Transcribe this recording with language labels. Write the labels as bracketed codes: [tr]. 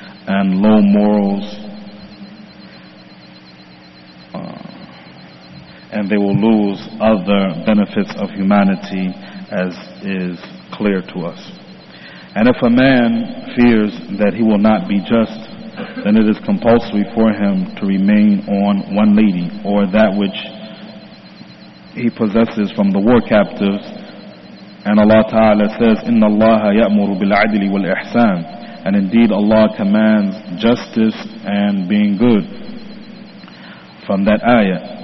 [en] and low morals, and they will lose other benefits of humanity, as is clear to us. And if a man fears that he will not be just, then it is compulsory for him to remain on one lady, or that which he possesses from the war captives. And Allah Ta'ala says, [ar] إِنَّ اللَّهَ يَأْمُرُ بِالْعَدْلِ وَالْإِحْسَانِ. [en] And indeed Allah commands justice and being good, from that ayah.